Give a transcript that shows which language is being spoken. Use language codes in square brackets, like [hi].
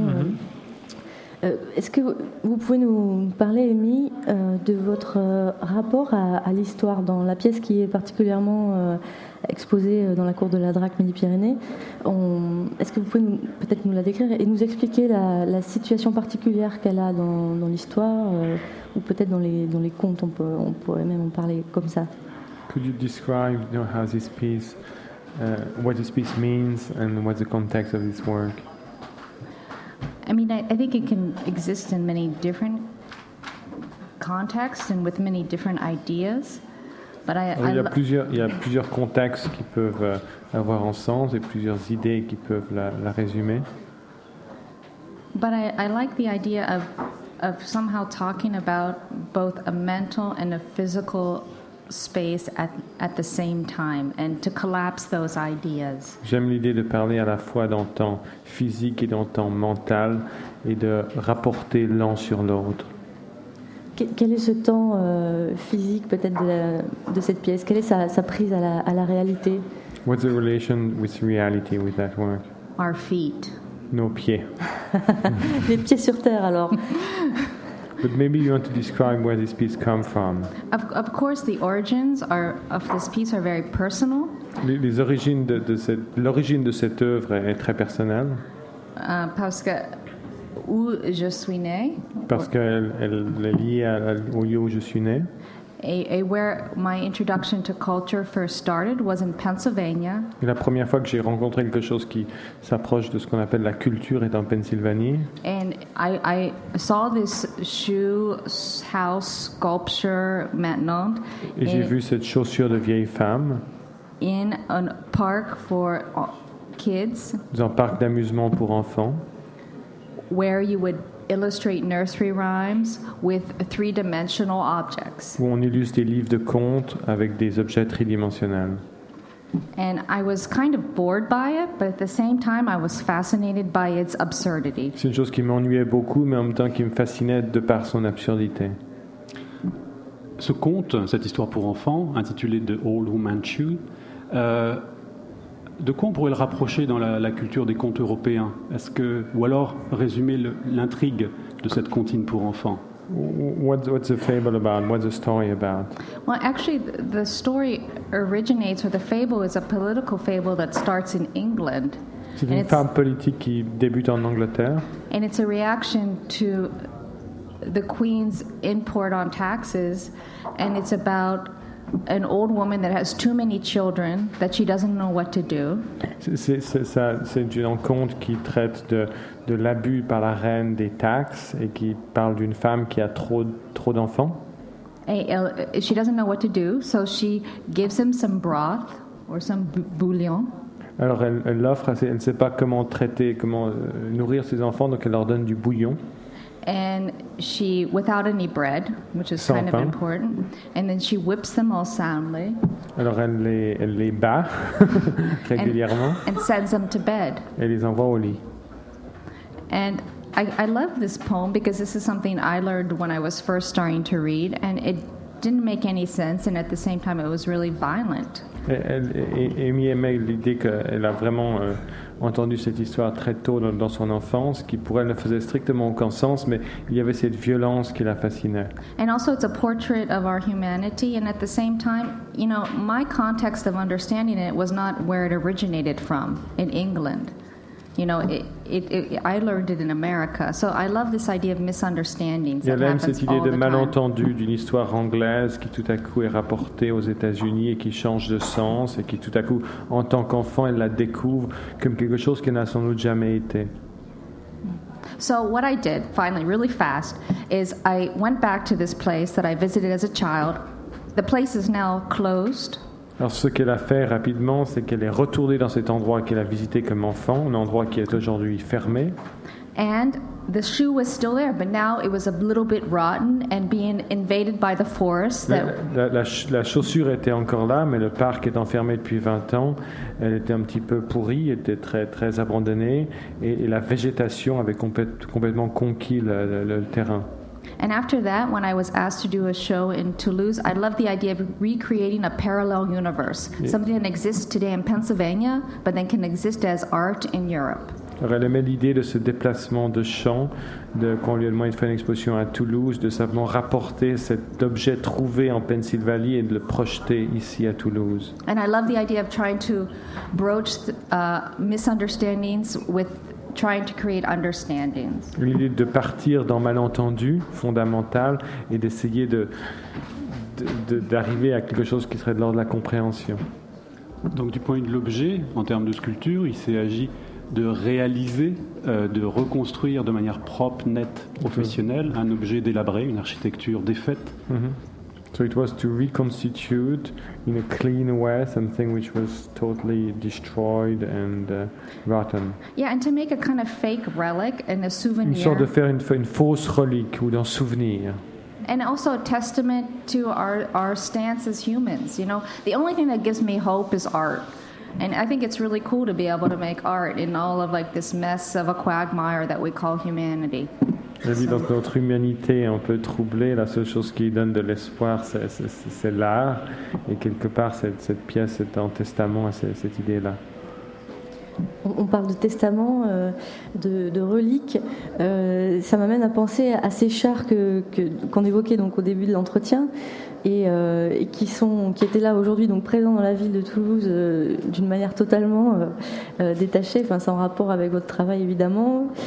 [fr] Mm-hmm. Est-ce que vous pouvez nous parler, Amy, de votre rapport à l'histoire dans la pièce qui est particulièrement exposé dans la cour de la DRAC Midi-Pyrénées. Est-ce que vous pouvez peut-être nous la décrire et nous expliquer la situation particulière qu'elle a dans l'histoire ou peut-être dans les contes, on pourrait même en parler comme ça. [en] Could you describe, you know, how this piece, what this piece means and what's the context of this work? I mean, I think it can exist in many different contexts and with many different ideas. [fr] Il y a plusieurs contextes qui peuvent avoir un sens et plusieurs idées qui peuvent la résumer. [en] But I like the idea of somehow talking about both a mental and a physical space at the same time and to collapse those ideas. [fr] J'aime l'idée de parler à la fois d'un temps physique et d'un temps mental et de rapporter l'un sur l'autre. Quel est ce temps physique, peut-être, de cette pièce? Quelle est sa prise à la réalité? [en] What's the relation with reality with that work? Our feet. [fr] Nos pieds. Les pieds sur terre, alors. [en] But maybe you want to describe where this piece comes from. Of course, the origins of this piece are very personal. [fr] Les origines l'origine de cette œuvre est très personnelle. Parce que où je suis né. Parce qu'elle est liée au lieu où je suis né. [en] Et where my introduction to culture first started was in Pennsylvania. [fr] Et la première fois que j'ai rencontré quelque chose qui s'approche de ce qu'on appelle la culture est en Pennsylvanie. [en] And I saw this shoe house sculpture maintenant. [fr] Et j'ai vu cette chaussure de vieille femme. [en] In a park for kids. [fr] Dans un parc d'amusement pour enfants. [en] Where you would illustrate nursery rhymes with three-dimensional objects. [fr] Où on illustre des livres de contes avec des objets tridimensionnels. [en] And I was kind of bored by it, but at the same time, I was fascinated by its absurdity. [fr] C'est une chose qui m'ennuyait beaucoup, mais en même temps qui me fascinait de par son absurdité. Ce conte, cette histoire pour enfants, intitulée The Old Woman Chew, de quoi on pourrait le rapprocher dans la culture des contes européens? Est-ce que, ou alors résumer l'intrigue de cette comptine pour enfants? [en] What's the fable about? What's the story about? Well, actually, the story originates, or the fable is a political fable that starts in England. [fr] C'est une fable politique qui débute en Angleterre. [en] And it's a reaction to the Queen's import on taxes, and it's about an old woman that has too many children that she doesn't know what to do. [fr] C'est une conte qui traite de l'abus par la reine des taxes et qui parle d'une femme qui a trop d'enfants. [en] She doesn't know what to do, so she gives him some broth or some bouillon. [fr] Alors elle l'offre, elle ne sait pas comment traiter, comment nourrir ses enfants, donc elle leur donne du bouillon. [en] And she, without any bread, which is [fr] sans [en] kind [fr] pain. [en] Of important, and then she whips them all soundly. [fr] Alors elle les bat régulièrement. [en] And sends them to bed. [fr] Et les envoie au lit. [en] And I love this poem because this is something I learned when I was first starting to read, and it didn't make any sense, and at the same time, it was really violent. [fr] Amy aimait l'idée qu'elle a vraiment entendu cette histoire très tôt dans son enfance, qui pour elle ne faisait strictement aucun sens, mais il y avait cette violence qui la fascinait. [en] And also, it's a portrait of our humanity, and at the same time, you know, my context of understanding it was not where it originated from, in England. You know, I learned it in America. So I love this idea of misunderstandings that happens all the time. [fr] Cette idée de malentendu d'une histoire anglaise qui tout à coup est rapportée aux États-Unis et qui change de sens et qui tout à coup, en tant qu'enfant, elle la découvre comme quelque chose qu'elle n'a sans doute jamais été. [en] So what I did, finally, really fast, is I went back to this place that I visited as a child. The place is now closed. [fr] Alors ce qu'elle a fait rapidement, c'est qu'elle est retournée dans cet endroit qu'elle a visité comme enfant, un endroit qui est aujourd'hui fermé. [en] And the shoe was still there, but now it was a little bit rotten and being invaded by the forest. [fr] La chaussure était encore là, mais le parc est enfermé depuis 20 ans. Elle était un petit peu pourrie, était très très abandonnée et la végétation avait complètement conquis le terrain. [en] And after that, when I was asked to do a show in Toulouse, I loved the idea of recreating a parallel universe, something that exists today in Pennsylvania, but then can exist as art in Europe. [fr] Alors elle aimait l'idée de ce déplacement de champ, qu'on lui a demandé de faire une exposition à Toulouse, de simplement rapporter cet objet trouvé en Pennsylvanie et de le projeter ici à Toulouse. [en] And I love the idea of trying to broach misunderstandings with trying to create understandings. [fr] L'idée de partir dans malentendu fondamental et d'essayer d'arriver à quelque chose qui serait de l'ordre de la compréhension. Donc du point de vue de l'objet, en termes de sculpture, il s'est agi de réaliser, de reconstruire de manière propre, nette, professionnelle, un objet délabré, une architecture défaite. [en] So it was to reconstitute in a clean way something which was totally destroyed and rotten. Yeah, and to make a kind of fake relic and a souvenir. [fr] Une sorte de faire une fausse relique ou d'un souvenir. [en] And also a testament to our stance as humans. You know, the only thing that gives me hope is art. And I think it's really cool to be able to make art in all of like this mess of a quagmire that we call humanity. [fr] La vie dans notre humanité est un peu troublée. La seule chose qui donne de l'espoir, c'est l'art. Et quelque part, cette pièce est un testament à cette idée-là. On parle de testament, de reliques. Ça m'amène à penser à ces chars qu'on évoquait donc au début de l'entretien et qui étaient là aujourd'hui, donc présents dans la ville de Toulouse d'une manière totalement détachée, enfin sans rapport avec votre travail évidemment.